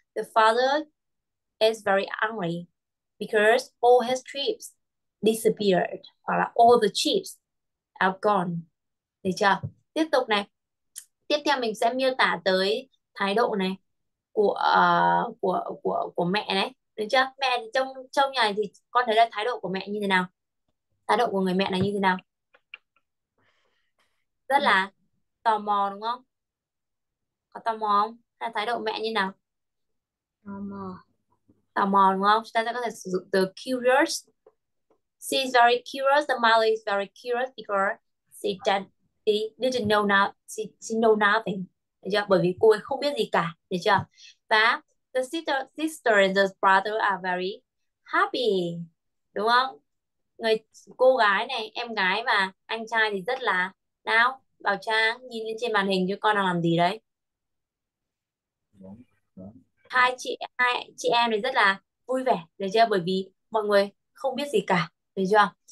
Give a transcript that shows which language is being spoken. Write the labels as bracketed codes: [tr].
[en] The father is very angry because all his chips disappeared. [vi] Hoặc là [en] all the chips are gone. [vi] Được chưa? Tiếp tục này. Tiếp theo mình sẽ miêu tả tới thái độ này của mẹ này. Được chưa? Mẹ thì trong trong nhà thì con thấy là thái độ của mẹ như thế nào? Thái độ của người mẹ này như thế nào? Rất là tò mò đúng không? Có tò mò không? Hay là thái độ mẹ như nào? Tò mò đúng không? Chúng ta sẽ có thể sử dụng từ curious. [en] She's very curious. The mother is very curious because she She didn't know nothing. She know nothing. Được chưa? [vi] Bởi vì cô ấy không biết gì cả. Được chưa? [en] Và the sister and the brother are very happy. [vi] Đúng không? Người cô gái này, em gái và anh trai thì rất là nào? Bảo Trang nhìn lên trên màn hình cho con đang làm gì đấy? Đúng, đúng. Hai chị em thì rất là vui vẻ, được chưa? Bởi vì mọi người không biết gì cả, được chưa?